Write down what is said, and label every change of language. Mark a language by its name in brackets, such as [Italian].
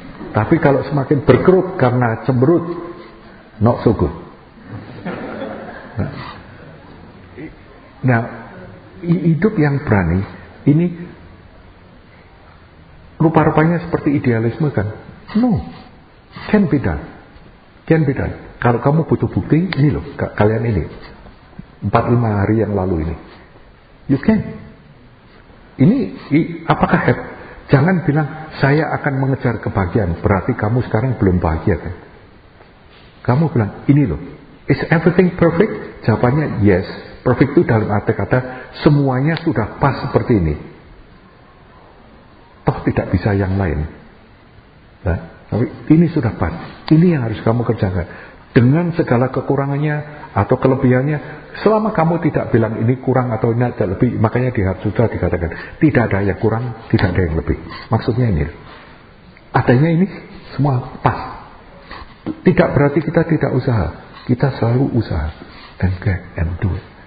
[Indonesian] Tapi kalau semakin berkerut karena cemberut, [English] not so good. [Indonesian] Nah, hidup yang berani ini rupa-rupanya seperti idealisme kan? [English] No, can be done, can be done. [Indonesian] Kalau kamu butuh bukti, ini loh, kalian ini 4-5 hari yang lalu ini, [English] you can. [Indonesian] Ini apakah hebat? Jangan bilang saya akan mengejar kebahagiaan, berarti kamu sekarang belum bahagia kan? Kamu bilang ini loh, [English] is everything perfect? [Indonesian] Jawabannya yes. Perfect itu dalam arti kata semuanya sudah pas seperti ini. Toh tidak bisa yang lain. Nah, tapi ini sudah pas. Ini yang harus kamu kerjakan. Dengan segala kekurangannya atau kelebihannya, selama kamu tidak bilang ini kurang atau ini ada lebih, makanya sudah dikatakan tidak ada yang kurang, tidak ada yang lebih. Maksudnya ini, adanya ini semua pas. Tidak berarti kita tidak usaha. Kita selalu usaha [English] and get and do it.